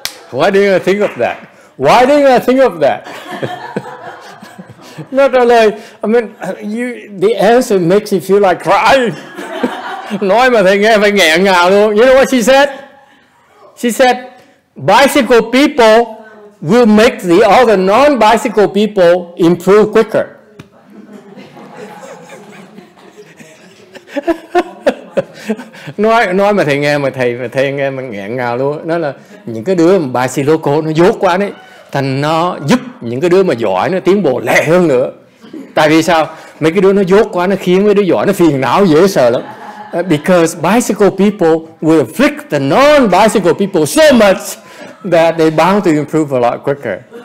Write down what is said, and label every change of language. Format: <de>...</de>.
<en>Why didn't I think of that? Why didn't I think of that? Not really. I mean, the answer makes you feel like crying.</en> <vi>Nói mà thấy nghe phải nghẹn ngào luôn.</vi> <en>You know what she said? She said, bicycle people will make the other non-bicycle people improve quicker.</en> <vi>Nói mà thầy nghe, mà thầy nghe mà nghẹn ngào luôn. Nó là những cái đứa mà bài xì lô cô nó dốt quá đấy, thành nó giúp những cái đứa mà giỏi nó tiến bộ lẹ hơn nữa. Tại vì sao? Mấy cái đứa nó dốt quá, nó khiến mấy đứa giỏi nó phiền não dễ sợ lắm.</vi> <en>Because bicycle people will afflict the non-bicycle people so much that they bound to improve a lot quicker.</en>